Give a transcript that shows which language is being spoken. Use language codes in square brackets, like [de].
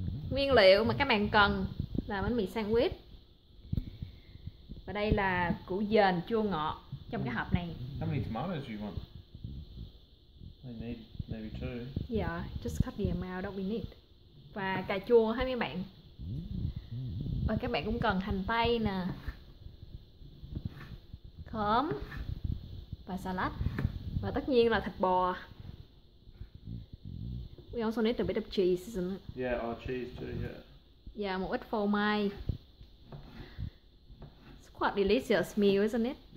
[vi] Nguyên liệu mà các bạn cần là bánh mì sandwich. Và đây là củ dền chua ngọt trong cái hộp này. [en] How many tomatoes do you want? We need maybe two. Yeah, just cut the amount that we need. [vi] Và cà chua hả mấy bạn? Và các bạn cũng cần hành tây nè, khóm và salad. Và tất nhiên là thịt bò. [en] We also need a bit of cheese, isn't it? Yeah, our cheese too, yeah. [vi] Yeah, một ít phô mai. [en] It's quite delicious meal, isn't it?